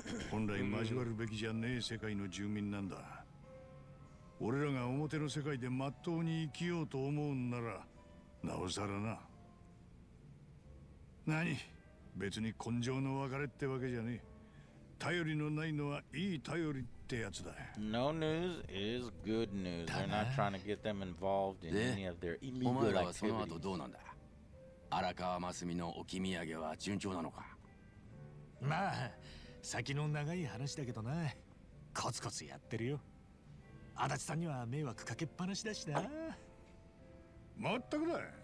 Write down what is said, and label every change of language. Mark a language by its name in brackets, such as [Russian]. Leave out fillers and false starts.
[Japanese] 本来交わるべきじゃねえ世界の住民なんだ。俺らが表の世界で真っ当に生きようと思うんなら、なおさらな。何、別に根性の別れってわけじゃねえ。頼りのないのはいい頼りってやつだ。 [English] No news is good news. They're not trying to get them involved in any of their illegal activities. [Japanese] お前らはその後どうなんだ。荒川真澄の置き土産は順調なのか。まあ、先の長い話だけどな。コツコツやってるよ。足立さんには迷惑かけっぱなしだしな。まったくだ。